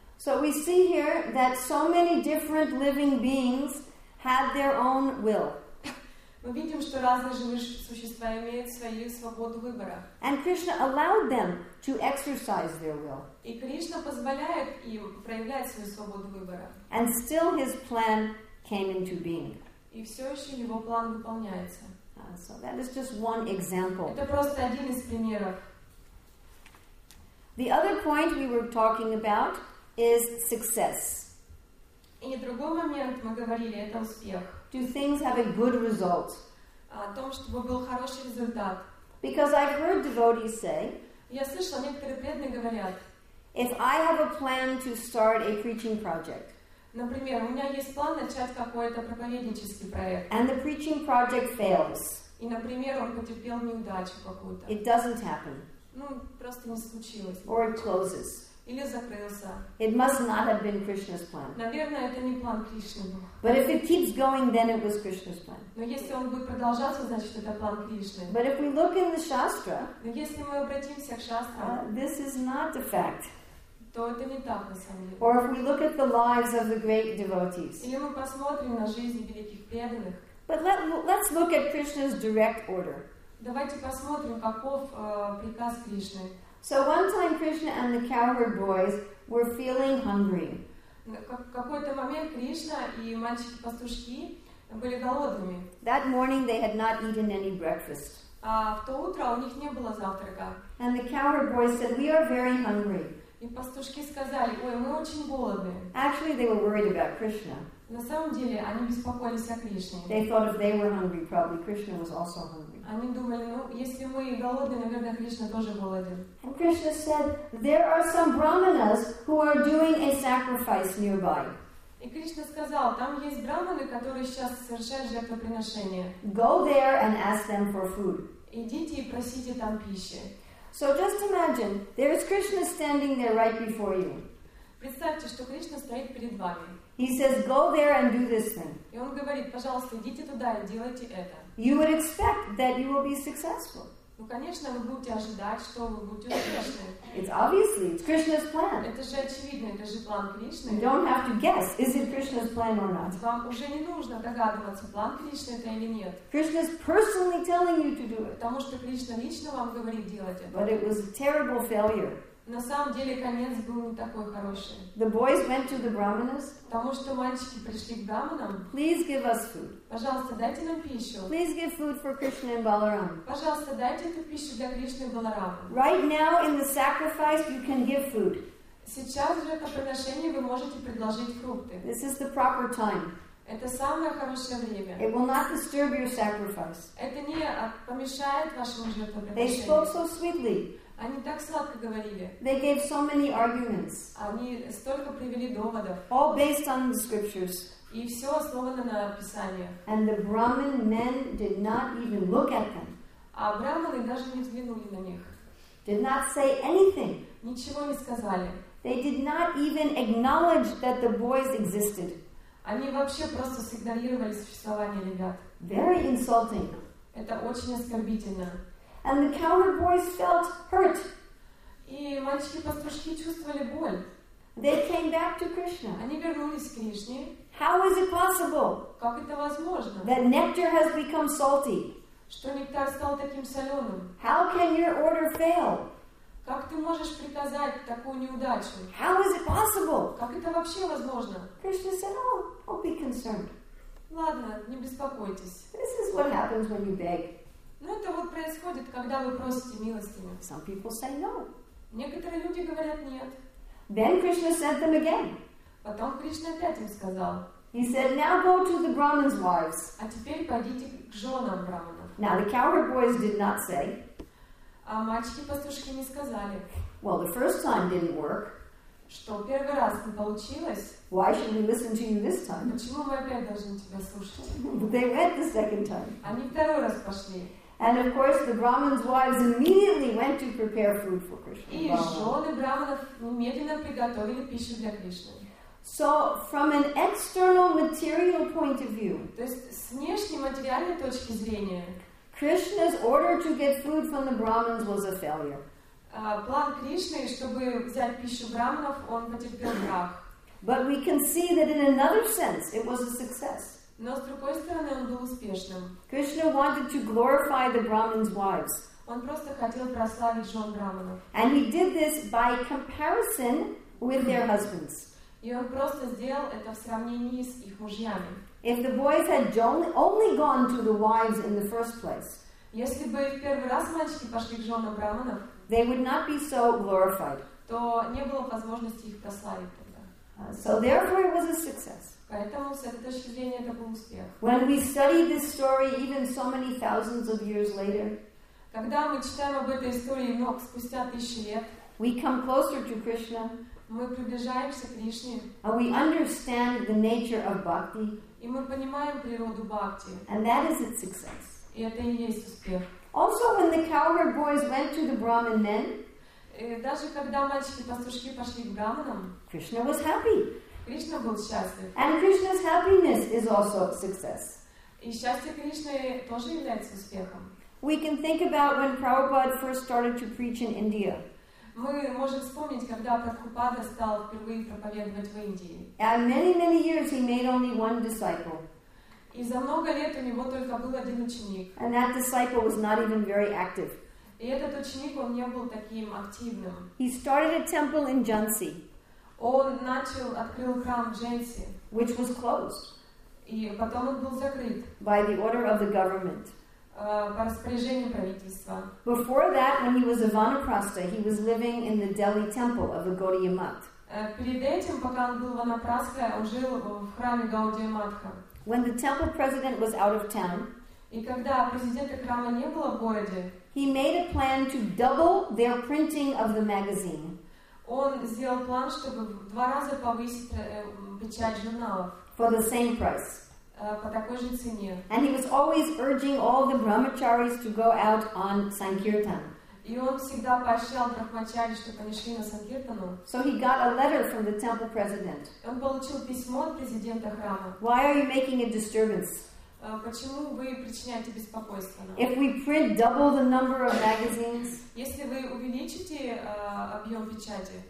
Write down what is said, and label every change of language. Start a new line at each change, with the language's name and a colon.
English: So we see here that so many different living beings had their own will.
Russian: Мы видим, что разные живые существа имеют свою свободу выбора.
English: And Krishna allowed them to exercise their will.
Russian: И Кришна позволяет им проявлять свою свободу выбора.
English: And still his plan came into being.
Russian: И все еще его план выполняется.
English: So that is just one example.
Russian: Это просто один из примеров.
English: The other point we were talking about is success.
Russian: И другой момент мы говорили, это успех.
English: Do things have a good result?
Russian: О том, чтобы был хороший результат.
English: Because I've heard devotees say,
Russian: я слышала, некоторые преданные говорят,
English: if I have a plan to start a preaching project,
Russian: например, у меня есть план начать какой-то проповеднический проект,
English: and the preaching project fails,
Russian: и, например, он потерпел неудачу какую-то,
English: it doesn't happen.
Russian: Ну, просто не случилось.
English: Or it closes.
Russian: Или закрылся.
English: It must not have been Krishna's plan.
Russian: Наверное, это не план Кришны.
English: But if it keeps going, then it was Krishna's plan.
Russian: Но если он будет продолжаться, значит, это план Кришны.
English: But if we look in the Shastra,
Russian: но если мы обратимся к Шастрам,
English: this is not the fact.
Russian: То это не так, на самом деле.
English: Or if we look at the lives of the great devotees.
Russian: Или мы посмотрим на жизни великих преданных.
English: But let's look at Krishna's direct order.
Russian: Давайте посмотрим, каков приказ Кришны.
English: So one time Krishna and the cowherd boys were feeling hungry.
Russian: Какой-то момент Кришна и мальчики-пастушки были голодными.
English: That morning they had not eaten any breakfast.
Russian: А в то утро у них не было завтрака.
English: And the cowherd boys said, "We are very hungry."
Russian: И пастушки сказали, "Ой, мы очень голодны."
English: Actually, they were worried about Krishna.
Russian: На самом деле, они беспокоились о Кришне.
English: They thought if they were hungry, probably Krishna was also hungry.
Russian: Они думали, ну, если мы голодны, наверное, Кришна тоже голоден.
English: And Krishna said, there are some brahmanas who are doing a sacrifice nearby.
Russian: И Кришна сказал, там есть брахманы, которые сейчас совершают жертвоприношение.
English: Go there and ask them for food.
Russian: Идите и просите там пищи.
English: So just imagine, there is Krishna standing there right before you.
Russian: Представьте, что Кришна стоит перед вами.
English: He says, go there and do this thing.
Russian: И он говорит, пожалуйста, идите туда и делайте это.
English: You would expect that you will be successful.
Russian: Ну, конечно, вы будете ожидать, что вы будете успешны.
English: It's obviously, it's Krishna's plan.
Russian: Это же очевидно, это же план Кришны.
English: You don't have to guess, is it Krishna's plan or not.
Russian: Вам уже не нужно догадываться, план Кришны это или нет.
English: Krishna's personally telling you to do it.
Russian: Потому что Кришна лично вам говорит делать это.
English: But it was a terrible failure.
Russian: На самом деле конец был не такой хороший.
English: The boys went to the brahmanas.
Russian: Потому что мальчики пришли к браманам.
English: Please give us food.
Russian: Пожалуйста, дайте нам пищу.
English: Please give food for Krishna and Balaram.
Russian: Пожалуйста, дайте эту пищу для Кришны и Баларамы.
English: Right now in the sacrifice you can give food.
Russian: Сейчас в жертвоприношении вы можете предложить фрукты.
English: This is the proper time.
Russian: Это самое хорошее время.
English: It will not disturb your sacrifice.
Russian: Это не помешает вашему жертвоприношению.
English: They spoke so sweetly.
Russian: Они так сладко говорили.
English: They gave so many arguments.
Russian: Они столько привели доводов.
English: All based on the scriptures.
Russian: И все основано на писаниях.
English: And the Brahmin men did not even look at them.
Russian: А брахманы даже не взглянули на них.
English: Did not say anything.
Russian: Ничего не сказали.
English: They did not even acknowledge that the boys existed.
Russian: Они вообще просто игнорировали существование ребят.
English: Very insulting.
Russian: Это очень оскорбительно.
English: And the cowherd boys felt hurt.
Russian: И мальчики-пастушки чувствовали боль.
English: They came back to Krishna.
Russian: Они вернулись к Кришне.
English: How is it possible?
Russian: Как это возможно?
English: That nectar has become salty.
Russian: Что нектар стал таким соленым?
English: How can your order fail?
Russian: Как ты можешь приказать такую неудачу?
English: How is it possible?
Russian: Как это вообще возможно?
English: Krishna said, "Oh, don't be concerned."
Russian: Ладно, не беспокойтесь.
English: This is what happens when you beg.
Russian: Ну, это вот происходит, когда вы просите милостыню.
English: Some people say no.
Russian: Некоторые люди говорят нет.
English: Then Krishna sent them again.
Russian: Потом Кришна опять им сказал.
English: He said, now go to the brahmin's wives.
Russian: А теперь пойдите к женам брахманов.
English: Now the cowherd boys did not say.
Russian: А мальчики-пастушки не сказали.
English: Well, the first time didn't work.
Russian: Что первый раз не получилось.
English: Why should we listen to you this time?
Russian: Почему мы опять должны тебя слушать?
English: They went the second time.
Russian: Они второй раз пошли.
English: And of course, the Brahmins' wives immediately went to prepare food for Krishna. So, from an external material point of view, Krishna's order to get food from the Brahmins was a failure.
Russian: План Кришны, чтобы взять пищу браманов, он потерпел крах.
English: But we can see that in another sense, it was a success.
Russian: Но с другой стороны, он был успешным.
English: Krishna wanted to glorify the Brahmins' wives.
Russian: Он просто хотел прославить жен браманов.
English: And he did this by comparison with their husbands.
Russian: И он просто сделал это в сравнении с их мужьями.
English: If the boys had only gone to the wives in the first place,
Russian: если бы в первый раз мальчики пошли к женам браманов,
English: they would not be so glorified.
Russian: То не было возможности их прославить тогда.
English: So therefore it was a success.
Russian: Поэтому с этой точки зрения это был успех.
English: When we study this story even so many thousands of years later,
Russian: когда мы читаем об этой истории много спустя тысячи лет,
English: we come closer to Krishna.
Russian: Мы приближаемся к Кришне.
English: And we understand the nature of bhakti.
Russian: И мы понимаем природу бхакти.
English: And that is its success.
Russian: И это и есть успех.
English: Also, when the cowherd boys went to the Brahmin men,
Russian: даже когда мальчики-пастушки пошли к браманам,
English: Krishna was happy.
Russian: Кришна был счастлив.
English: And Krishna's happiness is also a success.
Russian: И счастье Кришны тоже является успехом.
English: We can think about when Prabhupada first started to preach in India.
Russian: Мы можем вспомнить, когда Прабхупада стал впервые проповедовать в Индии.
English: And many years he made only one disciple.
Russian: И за много лет у него только был один ученик.
English: And that disciple was not even very active.
Russian: И этот ученик, он не был таким активным.
English: He started a temple in Jhansi.
Russian: Он начал, открыл храм в Джанси.
English: Which was closed.
Russian: И потом он был закрыт.
English: By the order of the government.
Russian: По распоряжению правительства.
English: Before that, when he was a vanaprastha, he was living in the Delhi temple of the Gaudiya Math.
Russian: Перед этим, пока он был ванапрастхой, он жил в храме Гаудия Матха.
English: When the temple president was out of town,
Russian: и когда президента храма не было в городе,
English: he made a plan to double their printing of the magazine.
Russian: Он сделал план, чтобы в два раза повысить печать журналов.
English: For the same price.
Russian: По такой же цене.
English: And he was always urging all the brahmacharis to go out on Sankirtan.
Russian: И он всегда поощрял брахмачари, чтобы они шли на санкиртану.
English: So he got a letter from the temple president.
Russian: Он получил письмо от президента храма.
English: Why are you making a disturbance?
Russian: Почему вы причиняете беспокойство нам?
English: If we print double the number of magazines,
Russian: если вы увеличите объем печати,